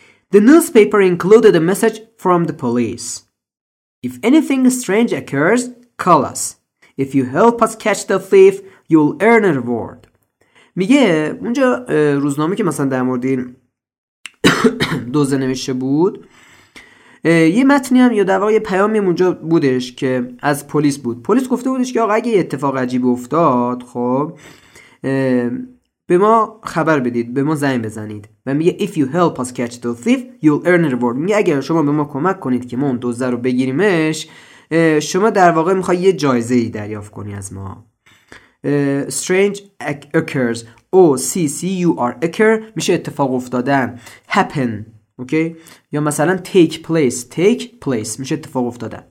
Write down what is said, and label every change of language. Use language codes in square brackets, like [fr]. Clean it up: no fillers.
[en] The newspaper included a message from the police. If anything strange occurs, call us. If you help us catch the thief, you'll earn a reward. [fa] میگه اونجا روزنامه که مثلا در مورد این دوزه نوشته بود یه متنی هم یا در واقع یه پیامی اونجا بودش که از پلیس بود. پلیس گفته بودش که آقا اگه یه اتفاق عجیب افتاد خب به ما خبر بدید، به ما زنگ بزنید. و میگه [en] if you help us catch the thief you'll earn a reward. [fa] میگه اگر شما به ما کمک کنید که ما اون دوزه رو بگیریمش، شما در واقع میخوای یه جایزه ای دریافت کنی از ما. [en] Strange occurs. O C C U R occur [fa] میشه اتفاق افتادن. [en] Happen. Okay. [fa] یا مثلا take place میشه اتفاق افتادن.